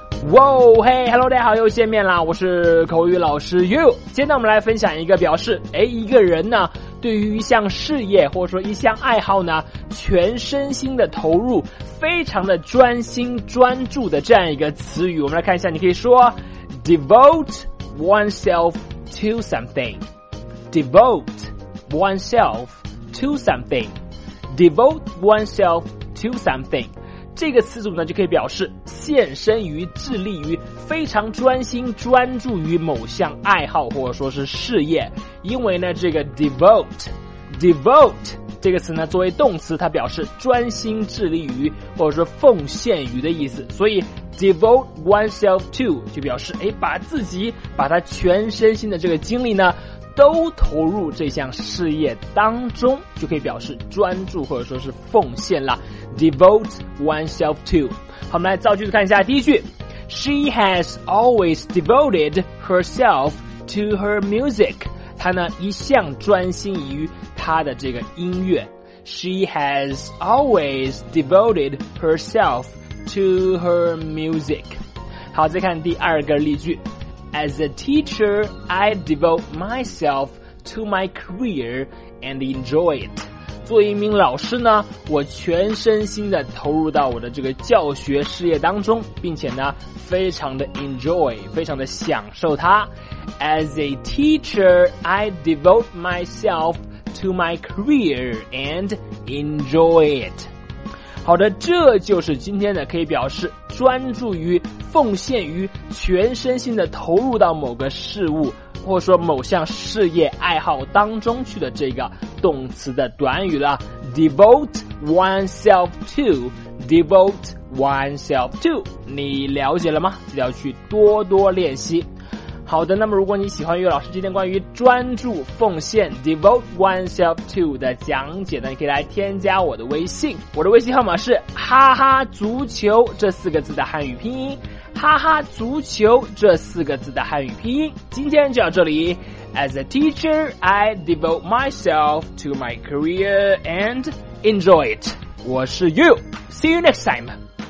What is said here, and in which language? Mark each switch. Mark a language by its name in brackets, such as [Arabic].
[Chinese] 哇哦，嘿 ，Hello， 大家好，又见面啦！我是口语老师 You。今天我们来分享一个表示，一个人呢，对于一项事业或者说一项爱好呢，全身心的投入，非常的专心专注的这样一个词语。我们来看一下，你可以说 [English] devote oneself to something， devote oneself to something， devote oneself to something。 [Chinese] 这个词组呢就可以表示献身于致力于非常专心专注于某项爱好或者说是事业。因为呢这个 devote 这个词呢作为动词，它表示专心致力于或者说奉献于的意思，所以 devote oneself to 就表示把自己把他全身心的这个精力呢都投入这项事业当中，就可以表示专注或者说是奉献了。 [English] Devote oneself to。 [Chinese] 好，我们来造句子看一下。第一句 [English] ，She has always devoted herself to her music。 [Chinese] 她呢一向专心于她的这个音乐。 [English] She has always devoted herself to her music。 [Chinese] 好，再看第二个例句。 [English] As a teacher, I devote myself to my career and enjoy it. [Chinese] 作为一名老师呢，我全身心的投入到我的这个教学事业当中，并且呢，非常的 enjoy， 非常的享受它。 [English] As a teacher, I devote myself to my career and enjoy it. [Chinese] 好的，这就是今天的可以表示专注于奉献于全身心的投入到某个事物或者说某项事业爱好当中去的这个动词的短语了。 [English] Devote oneself to， Devote oneself to， [Chinese] 你了解了吗？记得要去多多练习。好的，那么如果你喜欢于老师今天关于专注奉献 Devote oneself to 的讲解呢，你可以来添加我的微信，我的微信号码是哈哈足球这四个字的汉语拼音，哈哈足球这四个字的汉语拼音。今天就到这里。 [English] As a teacher, I devote myself to my career and enjoy it. [Chinese] 我是 [English] You, See you next time.